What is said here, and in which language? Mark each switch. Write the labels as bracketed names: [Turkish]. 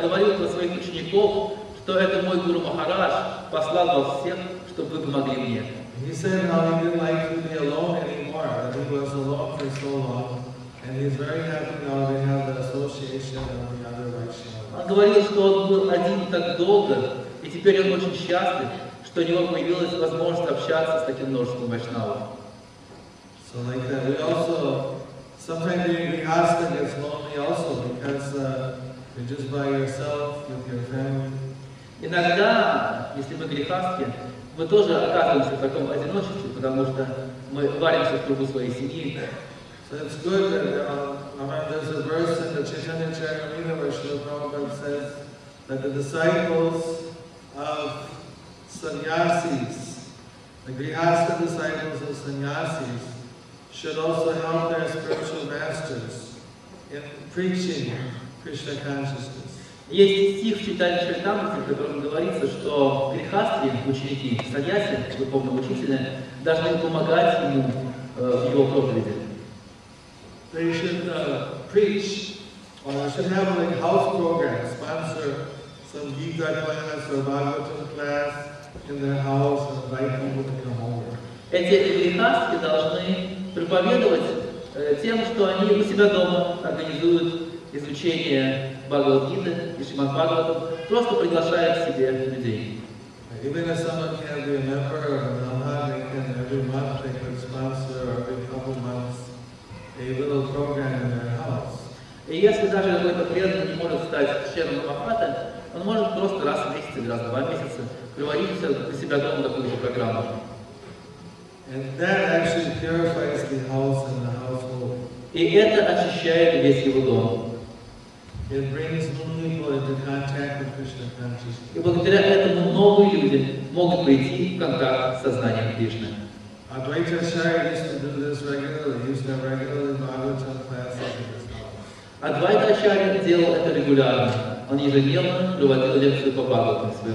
[Russian] говорил про своих учеников, что это мой Гуру Махарадж послал вас всем, чтобы вы помогли мне. [English] He said how he didn't like to be alone anymore, that he was alone for so long, and he's very happy now to have the association of the other Vaishnavas. [Russian] Он говорил, что он был один так долго, и теперь он очень счастлив, что у него появилась возможность общаться с таким множеством Вайшнавов. [English] So like that. We also, sometimes we ask that it's lonely also, because you're just by yourself, with your family. [Russian] Иногда, если мы грехастки, мы тоже оказываемся в таком одиночестве, потому что мы варимся в кругу своей семьи. [English] So it's good that there's a verse in the Chaitanya Charitamrita where Śrīla Prabhupāda says that the disciples of sannyasis, the grihastha disciples of sannyasis, should also help their spiritual masters in preaching Krishna consciousness. [Russian] Есть стих в Читании Чайтамрити, в котором говорится, что грехастхи, ученики, саньяси, духовного учителя, должны помогать ему в его проповеди. [English] They should preach, or should have like house program, sponsor some Gita class or Bhagavatam class in their house and invite people to come over. [Russian] Эти грехастхи должны проповедовать тем, что они у себя дома организуют изучение Бхагавад-гиты и Шримад-Бхагаватам, просто приглашая к себе людей. [English] Even if someone can't be a member of Nāmahaṭṭa, they can every month they can sponsor every couple months a little program in their house. [Russian] И если даже какой-то преданный не может стать членом Нāmahaṭṭa, он может просто раз в месяц или раз в два месяца приводить для себя дома такую же программу. [English] And that actually purifies the house and the household. [Russian] И это очищает весь его дом. [English] It brings new people into contact with Krishna consciousness. [Russian] И благодаря этому новые люди могут прийти в контакт с сознанием Кришны. [English] Advaita Acharya used to do this regularly. He used to have regular Bhagavatam classes in his house. [Russian] Advaita Acharya делал это регулярно. Он ежедневно проводил лекции по Бхагаватам.